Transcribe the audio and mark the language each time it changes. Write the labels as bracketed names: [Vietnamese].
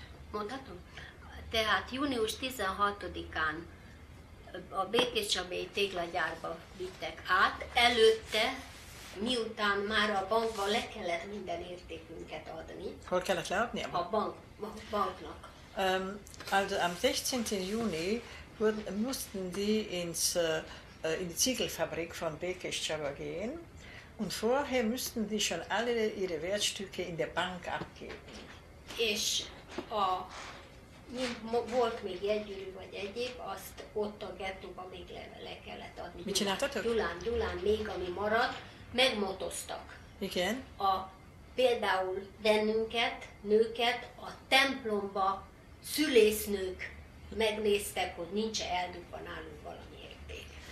[Hungarian] Mondhatom? Tehát június 16-án a Békés Csabai téglagyárba vittek át, előtte, miután már a bankban le kellett minden értékünket adni. Hol kellett leadni? A bank, banknak. [German] Also am 16. Juni mussten die ins, in die Ziegelfabrik von Békés Csaba gehen und vorher mussten die schon alle ihre Wertstücke in der Bank abgeben. [Hungarian] És a, volt még jegyűrű vagy egyéb, azt ott a gettóban még le kellett adni. Mit csináltatok? Gyulán még ami maradt, megmotoztak. Igen. A, például bennünket, nőket a templomba szülésznők megnéztek, hogy nincs eldugva nálunk valami érték.